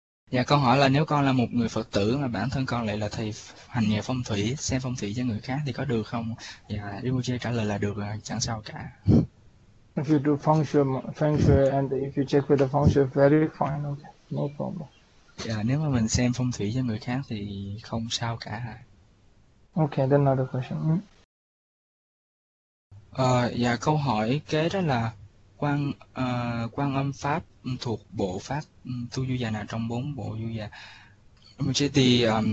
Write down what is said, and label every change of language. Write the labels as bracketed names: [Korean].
[Vietnamese] Dạ, con hỏi là nếu con là một người Phật tử mà bản thân con lại là thầy hành nghề phong thủy, xem phong thủy cho người khác thì có được không? Dạ, Rinpoche trả lời là được, chẳng sao cả. [English] If you do feng shui and if you check with the feng shui, very fine, okay, no problem. [Vietnamese] Dạ, nếu mà mình xem phong thủy cho người khác thì không sao cả. [English] Okay, then another question. [Vietnamese] Dạ, câu hỏi kế đó là Quan âm pháp thuộc bộ pháp tu du già nào trong bốn bộ du già?